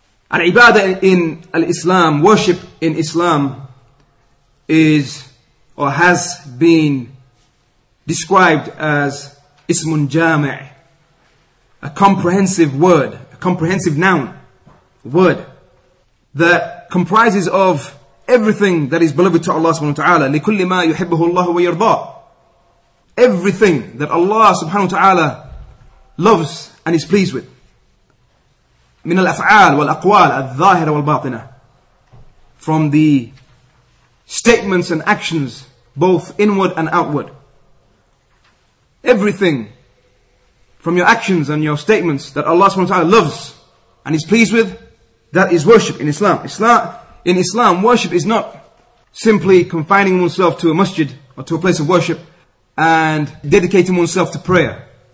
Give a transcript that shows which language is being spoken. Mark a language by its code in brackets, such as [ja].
[en] Al-ibadah in al-Islam, worship in Islam, is or has been described as ismun jami', a comprehensive word, a comprehensive noun, word that comprises of everything that is beloved to Allah subhanahu wa ta'ala. [ar] لِكُلِّ مَا يُحِبُّهُ اللَّهُ وَيَرْضَى. [en] Everything that Allah subhanahu wa ta'ala loves and is pleased with. [ar] من الأفعال والأقوال الظاهرة والباطنة. [en] From the statements and actions, both inward and outward. Everything from your actions and your statements that Allah subhanahu wa ta'ala loves and is pleased with, that is worship in Islam. In Islam, worship is not simply confining oneself to a masjid or to a place of worship and dedicating oneself to prayer.